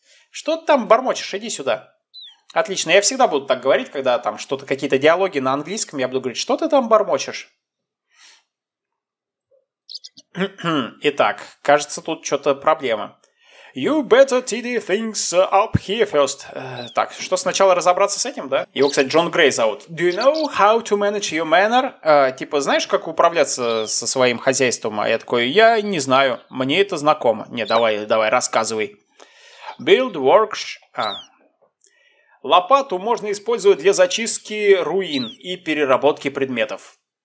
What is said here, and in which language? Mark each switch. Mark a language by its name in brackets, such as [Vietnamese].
[Russian] Что ты там бормочешь? Иди сюда. Отлично, я всегда буду так говорить, когда там что-то, какие-то диалоги на английском, я буду говорить, что ты там бормочешь? Итак, кажется, тут что-то проблема. [English] You better tidy things up here first. [Russian] Так, что сначала разобраться с этим, да? Его, кстати, Джон Грей зовут. [English] Do you know how to manage your manor? [Russian] Типа, знаешь, как управляться со своим хозяйством? А я такой, я не знаю, мне это знакомо. Не, давай, давай, рассказывай. [English] Build works... [Russian] Лопату можно использовать для зачистки руин и переработки предметов.